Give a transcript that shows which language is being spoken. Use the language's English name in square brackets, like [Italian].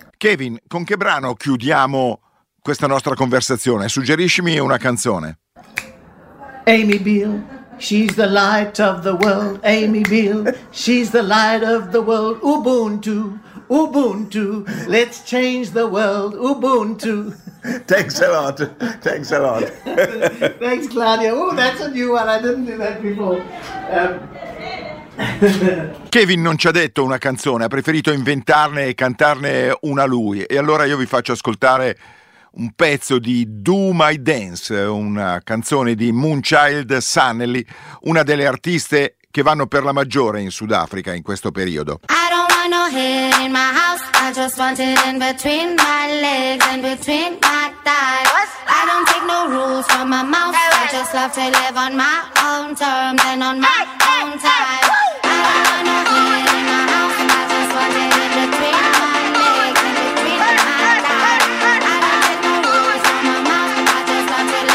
[Italian] Kevin, con che brano chiudiamo questa nostra conversazione? Suggeriscimi una canzone. [English] Amy Bill, she's the light of the world. Amy Bill, she's the light of the world. Ubuntu, Ubuntu, let's change the world. Ubuntu. Thanks a lot. Thanks, Claudia. Oh, that's a new one. I didn't do that before. [Italian] Kevin non ci ha detto una canzone, ha preferito inventarne e cantarne una lui. E allora io vi faccio ascoltare un pezzo di Do My Dance, una canzone di Moonchild Sanelly, una delle artiste che vanno per la maggiore in Sudafrica in questo periodo. [English] I don't want no head in my house, I just want it in between my legs and between my thighs. I don't take no rules from my mouth, I just love to live on my own terms and on my own time. I don't want no head in my house, I just want it in between my legs and between my thighs. I don't take no rules from my mouth, I just want